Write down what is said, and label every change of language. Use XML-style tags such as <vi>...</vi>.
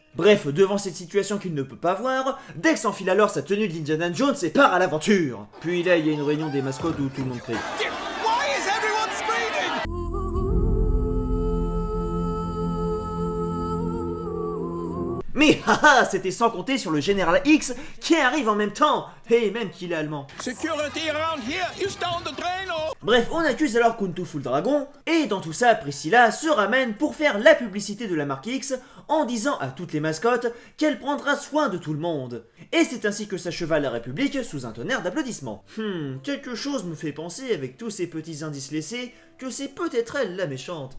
<fr>Bref, devant cette situation qu'il ne peut pas voir, Dex enfile alors sa tenue d'Indiana Jones et part à l'aventure! Puis là, il y a une réunion des mascottes où tout le monde crie. Mais haha, c'était sans compter sur le général X qui arrive en même temps, et même qu'il est allemand.</fr> <en>Security around here, you stay on the train, oh.</en> <fr>Bref, on accuse alors Kuntu Full Dragon, et dans tout ça, Priscilla se ramène pour faire la publicité de la marque X en disant à toutes les mascottes qu'elle prendra soin de tout le monde. Et c'est ainsi que s'acheva la République sous un tonnerre d'applaudissements. Quelque chose me fait penser, avec tous ces petits indices laissés, que c'est peut-être elle la méchante.</fr>